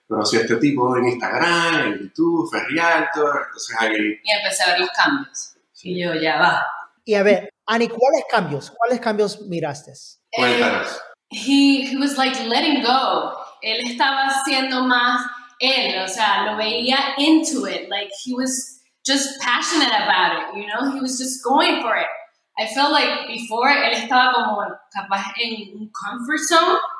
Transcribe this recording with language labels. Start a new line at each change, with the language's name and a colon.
Spanish: Conocí a este tipo en Instagram, en YouTube, Ferrialtor, entonces ahí... Y empecé a ver los cambios. Sí. Y yo, ya va. Y a ver, Annie, ¿cuáles cambios? ¿Cuáles cambios miraste? Cuéntanos.
English: He was like letting go.
Spanish: Él estaba siendo más él, o sea, lo veía
English: into it. Like, he was just passionate about it, you know? He was just going for it. I felt like before,
Spanish: él estaba como capaz en un
English: comfort zone.